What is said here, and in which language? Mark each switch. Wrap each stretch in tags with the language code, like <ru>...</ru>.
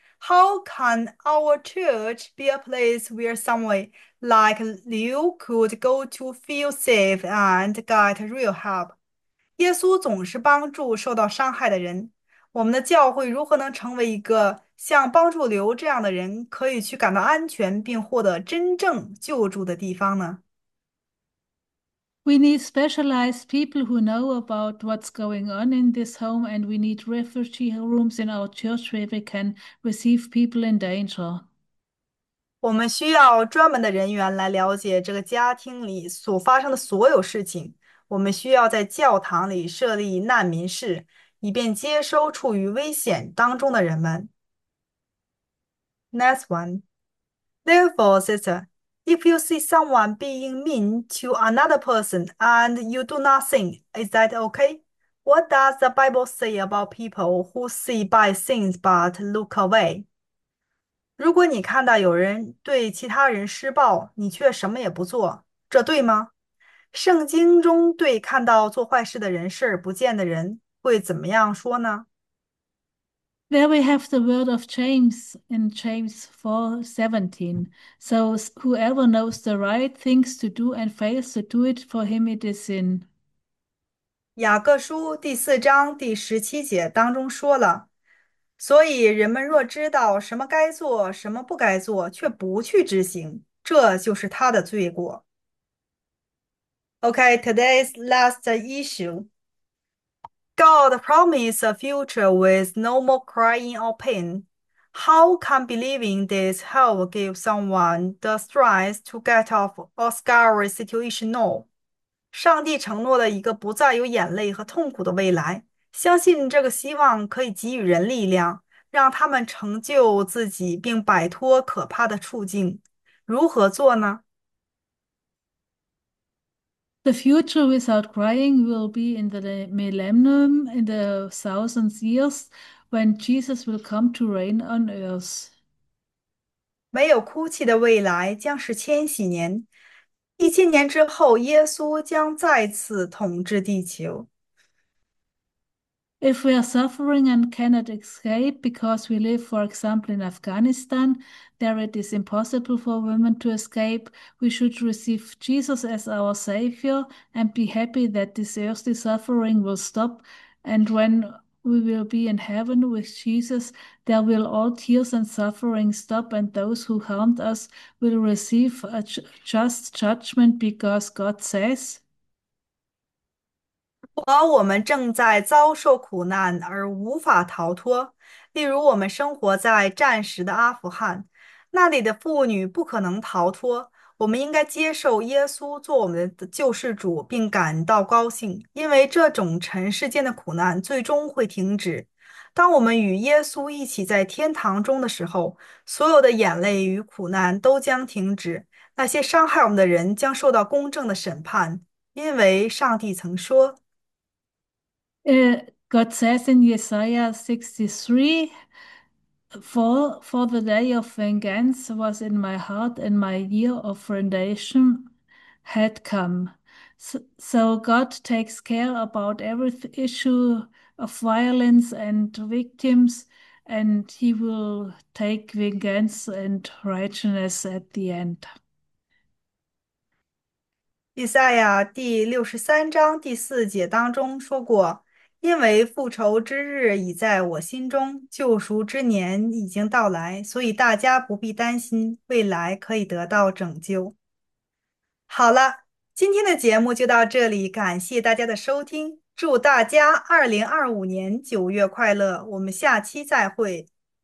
<en>How can our church be a place where someone like Liu could go to feel safe and get real help?</en> <zh>耶稣总是帮助受到伤害的人，我们的教会如何能成为一个像帮助刘这样的人，可以去感到安全并获得真正救助的地方呢？</zh> <en>We need specialized people who know about what's going on in this home, and we need refugee rooms in our church where we can receive people in danger.</en> <zh>我们需要专门的人员来了解这个家庭里所发生的所有事情。我们需要在教堂里设立难民室，以便接收处于危险当中的人们。</zh> <en>Next one. Therefore, sister, if you see someone being mean to another person and you do nothing, is that okay? What does the Bible say about people who see bad things but look away?</en> <zh>如果你看到有人对其他人施暴，你却什么也不做，这对吗？圣经中对看到做坏事的人视而不见的人会怎么样说呢？</zh> <en>There we have the word of James in James 4:17. So whoever knows the right things to do and fails to do it, for him it is sin.</en> <zh>雅各书第四章第十七节当中说了，所以人们若知道什么该做，什么不该做，却不去执行，这就是他的罪过。</zh> <en>OK，today's last issue. God promised a future with no more crying or pain. How can believing this help give someone the strength to get off a scary situation now?</en> <zh>上帝承诺了一个不再有眼泪和痛苦的未来，相信这个希望可以给予人力量，让他们成就自己并摆脱可怕的处境。如何做呢？</zh> <en>The future without crying will be in the millennium, in the thousands years, when Jesus will come to reign on earth.</en> <zh>没有哭泣的未来将是千禧年。1000年之后，耶稣将再次统治地球。</zh> <en>If we are suffering and cannot escape because we live, for example, in Afghanistan, there it is impossible for women to escape, we should receive Jesus as our savior and be happy that this earthly suffering will stop. And when we will be in heaven with Jesus, there will all tears and suffering stop, and those who harmed us will receive a just judgment because God says,</en> <zh>而我们正在遭受苦难而无法逃脱，例如我们生活在战时的阿富汗，那里的妇女不可能逃脱。我们应该接受耶稣做我们的救世主，并感到高兴，因为这种尘世间的苦难最终会停止。当我们与耶稣一起在天堂中的时候，所有的眼泪与苦难都将停止，那些伤害我们的人将受到公正的审判，因为上帝曾说。</zh> <en>God says in Isaiah 63, for the day of vengeance was in my heart, and my year of foundation had come. So God takes care about every issue of violence and victims, and he will take vengeance and righteousness at the end.</en> <zh>以赛亚第63章第4节当中说过：“因为复仇之日已在我心中，救赎之年已经到来，所以大家不必担心，未来可以得到拯救。 ”好了，今天的节目就到这里，感谢大家的收听，祝大家2025年9月快乐，我们下期再会。</zh>